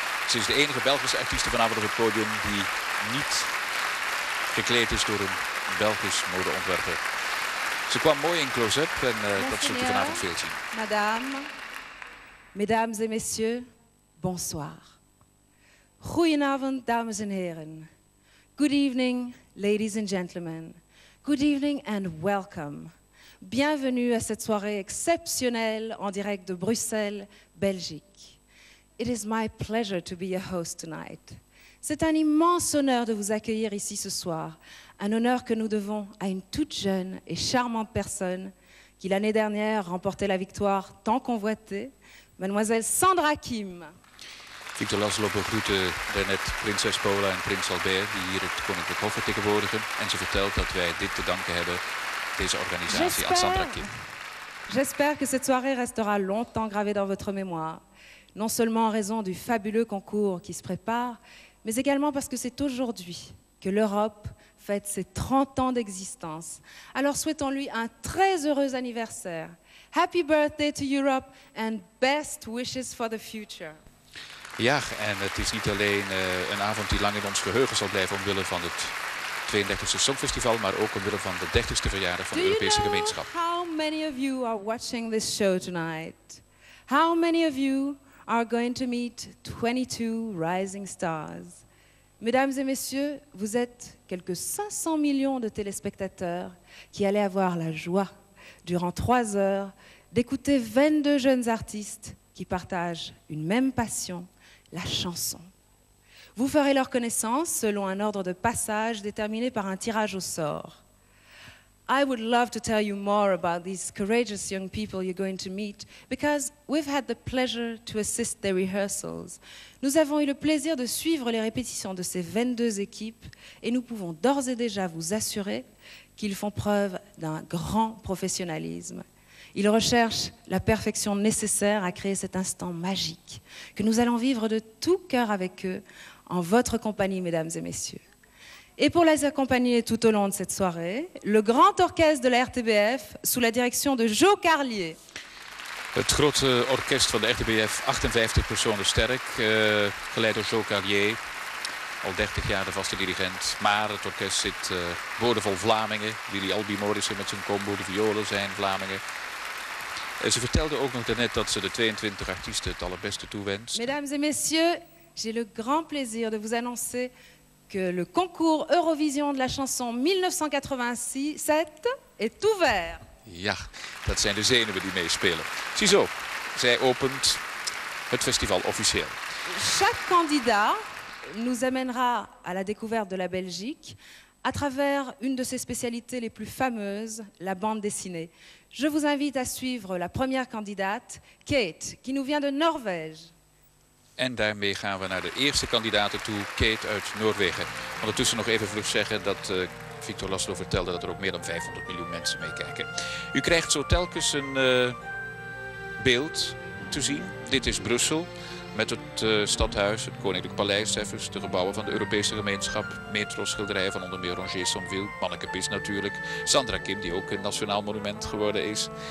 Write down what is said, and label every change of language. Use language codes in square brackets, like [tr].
[nl] Ze is de enige Belgische artieste vanavond op het podium die niet gekleed is door een Belgisch modeontwerper. Ze kwam mooi in close-up en dat zult u vanavond veel zien. [fr] Madame, mesdames et messieurs, bonsoir. [nl] Goedenavond, dames en heren. [en] Good evening, ladies and gentlemen. Good evening and welcome. [fr] Bienvenue à cette soirée exceptionnelle en direct de Bruxelles, Belgique. [en] It is my pleasure to be your host tonight. [fr] C'est un immense honneur de vous accueillir ici ce soir, un honneur que nous devons à une toute jeune et charmante personne qui l'année dernière remportait la victoire tant convoitée, mademoiselle Sandra Kim. [nl] Victor Laszlo begroette daarnet prinses Paula en prins Albert die hier het Koninklijk Hof vertegenwoordigen en ze vertelt dat wij dit te danken hebben deze organisatie aan Sandra Kim. [fr] J'espère que cette soirée restera longtemps gravée dans votre mémoire, non seulement en raison du fabuleux concours qui se prépare, mais également parce que c'est aujourd'hui que l'Europe fête ses 30 ans d'existence. Alors souhaitons-lui un très heureux anniversaire. [en] Happy birthday to Europe and best wishes for the future. [nl] Ja, en het is niet alleen een avond die lang in ons geheugen zal blijven omwille van het 32e Songfestival, maar ook omwille van de 30e verjaardag van Do de Europese gemeenschap. [en] How many of you are watching this show tonight? How many of you are going to meet 22 rising stars? [fr] Mesdames et messieurs, vous êtes quelques 500 millions de téléspectateurs qui allez avoir la joie, durant 3 heures, d'écouter 22 jeunes artistes qui partagent une même passion, la chanson. Vous ferez leur connaissance selon un ordre de passage déterminé par un tirage au sort. [en] I would love to tell you more about these courageous young people you're going to meet because we've had the pleasure to assist their rehearsals. [fr] Nous avons eu le plaisir de suivre les répétitions de ces 22 équipes et nous pouvons d'ores et déjà vous assurer qu'ils font preuve d'un grand professionnalisme. Ils recherchent la perfection nécessaire à créer cet instant magique que nous allons vivre de tout cœur avec eux en votre compagnie, mesdames et messieurs. Et pour les accompagner tout au long de cette soirée, le grand orchestre de la RTBF sous la direction de Jo Carlier. [nl] Het grote orkest van de RTBF, 58 personen sterk, geleid door Jo Carlier, al 30 jaar de vaste dirigent. Maar het orkest zit boordevol Vlamingen. Willy Albi Morrissen met zijn combo, de violen zijn Vlamingen. En ze vertelde ook nog daarnet dat ze de 22 artiesten het allerbeste toewenst. [fr] Mesdames et messieurs, j'ai le grand plaisir de vous annoncer que le concours Eurovision de la chanson 1987 est ouvert. [nl] Ja, dat zijn de zenuwen die meespelen. Ziezo, zij opent het festival officieel. [fr] Chaque candidat nous amènera à la découverte de la Belgique à travers une de ses spécialités les plus fameuses, la bande dessinée. Je vous invite à suivre la première candidate, Kate, qui nous vient de Norvège. [nl] En daarmee gaan we naar de eerste kandidaten toe, Kate uit Noorwegen. Ondertussen nog even vlug zeggen dat Victor Laszlo vertelde dat er ook meer dan 500 miljoen mensen meekijken. U krijgt zo telkens een beeld te zien. Dit is Brussel met het stadhuis, het Koninklijk Paleis, even, de gebouwen van de Europese gemeenschap, metroschilderijen van onder meer Rongier Somville, Mannekepis natuurlijk, Sandra Kim die ook een nationaal monument geworden is.